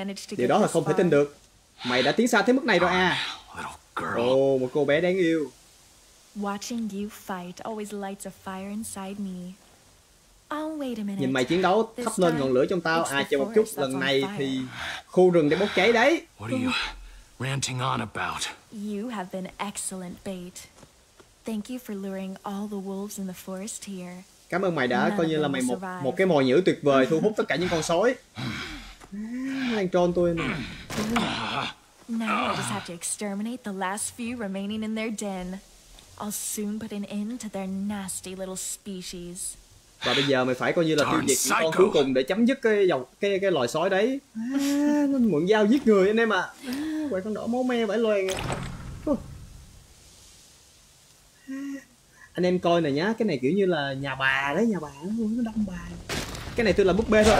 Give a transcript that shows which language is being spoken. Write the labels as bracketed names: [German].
[Vietnamese] Điều đó là không thể tin được, mày đã tiến xa tới mức này rồi à. Oh, một cô bé đáng yêu. [English] Watching you fight always lights a fire inside me. [Vietnamese] Nhìn mày chiến đấu thắp lên ngọn lửa trong tao. À, chờ một chút, lần này thì khu rừng đang bốc cháy đấy. [English] What are you ranting on about? You have been excellent bait. Thank you for luring all the wolves in the forest here. [Vietnamese] Cảm ơn mày đã coi như là mày một cái mồi nhử tuyệt vời thu hút tất cả những con sói. Đang trôn tôi nè. [English] Now I just have to exterminate the last few remaining in their den. I'll soon put an end to their nasty little species. [Vietnamese] Và bây giờ mày phải coi như là tiêu diệt con cuối cùng để chấm dứt cái loài sói đấy. À, nó mượn dao giết người anh em ạ. À, quậy con đỏ máu me vãi loèn. Anh em coi này nhá, cái này kiểu như là nhà bà đấy, nhà bà luôn, nó đông bà. Cái này tôi là búp bê thôi.